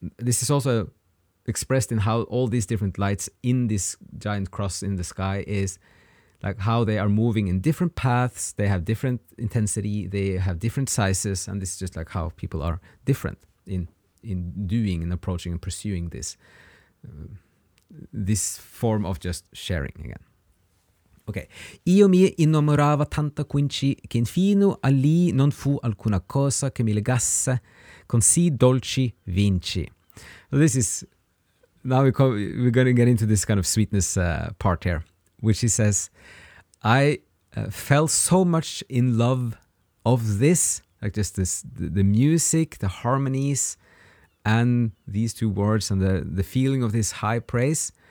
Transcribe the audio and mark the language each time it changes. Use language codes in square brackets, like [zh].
[en] This is also expressed in how all these different lights in this giant cross in the sky is, like how they are moving in different paths, they have different intensity, they have different sizes, and this is just like how people are different in doing and approaching and pursuing this this form of just sharing again. Okay. [it] Io mi innamorava tanto quinci che infino a lì non fu alcuna cosa che mi legasse con si dolci vinci. [en] So this is, now we're going to get into this kind of sweetness part here, which he says, I fell so much in love of this, like just this, the music, the harmonies, and these two words, and the feeling of this high praise,